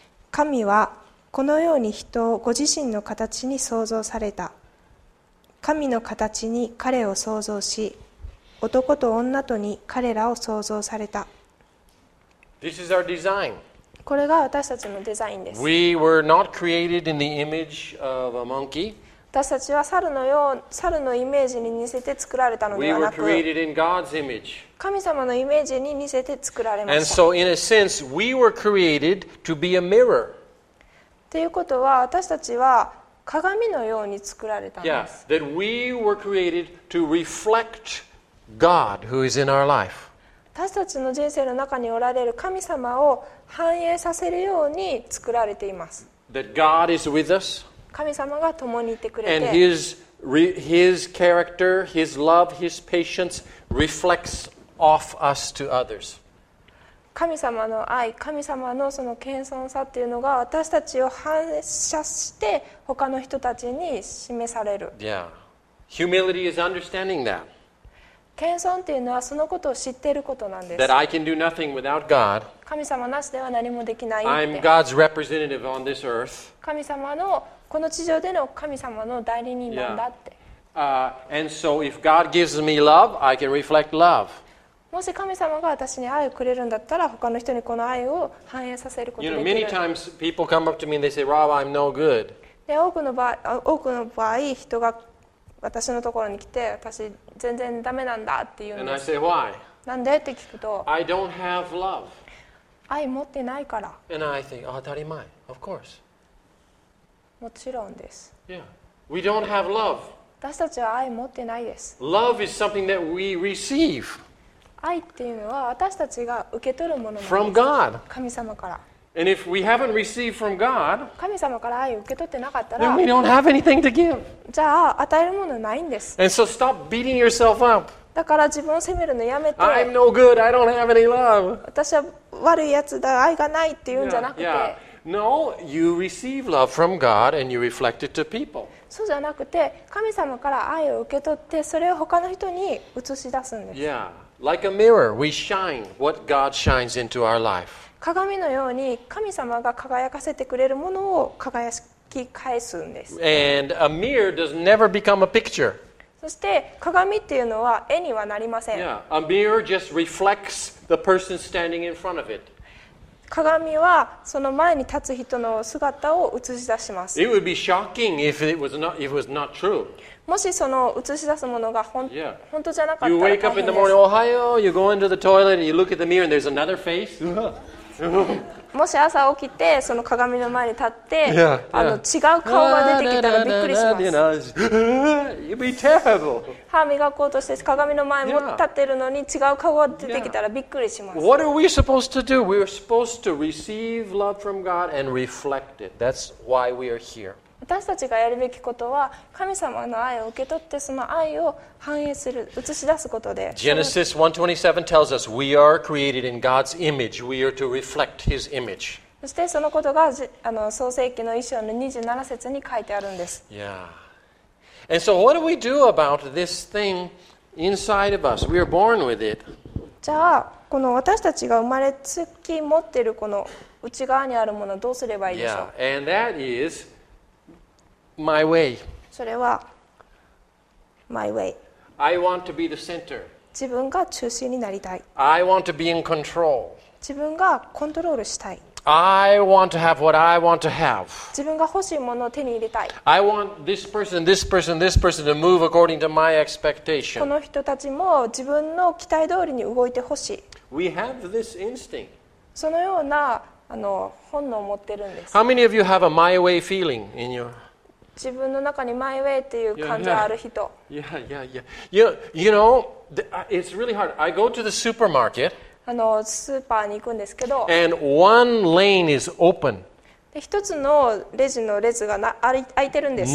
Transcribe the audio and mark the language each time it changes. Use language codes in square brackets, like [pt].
[ja] 神はこのように人をご自身の形に創造された。神の形に彼を創造し、男と女とに彼らを創造された。 [en] This is our design. [ja] これが私たちのデザインです。 [en] We were not created in the image of a monkey. [ja] 私たちは猿のイメージに似せて作られたのではなく、 [en] We were created in God's image. [ja] 神様のイメージに似せて作られました。 [en] And so in a sense, we were created to be a mirror. [ja] ということは、私たちは鏡のように作られたんです。 [en] Yeah, that we were created to reflect God who is in our life. [ja] 私たちの人生の中におられる神様を反映させるように作られています。 [en] That God is with us. [ja] 神様が共にいてくれて、 [en] And his character, his love, his patience reflects off us to others. [ja] 神様の愛、神様のその謙遜さっていうのが私たちを反射して他の人たちに示される。 [en] Yeah. Humility is understanding that. [ja] 謙遜っていうのはそのことを知っていることなんです。 [en] That I can do nothing without God. [ja] 神様なしでは何もできないって。 [en] I'm God's representative on this earth. [ja] 神様のこの地上での神様の代理人なんだって。 [en] Yeah. And so if God gives me love, I can reflect love. [ja] もし神様が私に愛をくれるんだったら、他の人にこの愛を反映させることができる。 [en] You know, many times people come up to me and they say, Rob, I'm no good. [ja] で、多くの場合、人が私のところに来て、私全然ダメなんだって言うんです。 [en] And I say, why? [ja] なんでって聞くと、 [en] I don't have love. [ja] 愛持ってないから。 [en] And I think, [ja] 当たり前、 [en] of course. [ja] もちろんです。 [en] Yeah. We don't have love. [ja] 私たちは愛を持ってないです。 [en] Love is something that we receive. [ja] 愛っていうのは私たちが受け取るものなんです。 [en] From God. [ja] 神様から。 [en] And if we haven't received from God, [ja] 神様から愛を受け取ってなかったら、 [en] then we don't have anything to give. [ja] じゃあ与えるものないんです。 [en] And so stop beating yourself up. [ja] だから自分を責めるのやめて。 [en] I'm no good. I don't have any love. [ja] 私は悪いやつだ。愛がないって言うんじゃなくて。 [en] Yeah, yeah. No, you receive love from God and you reflect it to people. [ja] そうじゃなくて、神様から愛を受け取って、それを他の人に映し出すんです。 [en] Yeah, like a mirror, we shine what God shines into our life. [ja] 鏡のように神様が輝かせてくれるものを輝き返すんです。 [en] And a mirror does never become a picture. [ja] そして鏡っていうのは絵にはなりません。 [en] Yeah, a mirror just reflects the person standing in front of it. [ja] 鏡はその前に立つ人の姿を映し出します。 [en] It would be shocking if it was not, if it was not true. [ja] もしその映し出すものが [en] yeah. [ja] 本当じゃなかったら大変です。 [en] You wake up in the morning, Ohio, you go into the toilet and you look at the mirror and there's another face. [ja] もし朝起きてその鏡の前に立って [en] yeah, yeah. [ja] あの違う顔が出てきたらびっくりします。 [en] You know, you'd be terrible. [ja] 歯を磨こうとして鏡の前も立ってるのに違う顔が出てきたらびっくりします。 [en] Yeah. What are we supposed to do? We are supposed to receive love from God and reflect it. That's why we are here. [ja] 私たちがやるべきことは神様の愛を受け取ってその愛を反映する、映し出すことで。 [en] Genesis 1:27 tells us we are created in God's image. We are to reflect His image. [ja] そしてそのことがあの創世記の1章の27節に書いてあるんです。 [en] Yeah. And so what do we do about this thing inside of us? We are born with it. [ja] じゃあこの私たちが生まれつき持っているこの内側にあるものどうすればいいでしょう。 [en] Yeah. And that is my way. [ja] それは my way. [en] I want to be the center. [ja] 自分が中心になりたい。 [en] I want to be in control. [ja] 自分がコントロールしたい。 [en] I want to have what I want to have. [ja] 自分が欲しいものを手に入れたい。 [en] I want this person, this person, this person to move according to my expectation. [ja] この人たちも自分の期待通りに動いてほしい。 [en] We have this instinct. [ja] そのようなあの本能を持ってるんです。 [en] How many of you have a my way feeling in your [ja] 自分の中にマイウェイっていう感じある人。 [en] You know, it's really hard. I go to the supermarket. [ja] あのスーパーに行くんですけど。 [en] And one lane is open. [ja] で一つのレジの列が空いてるんです。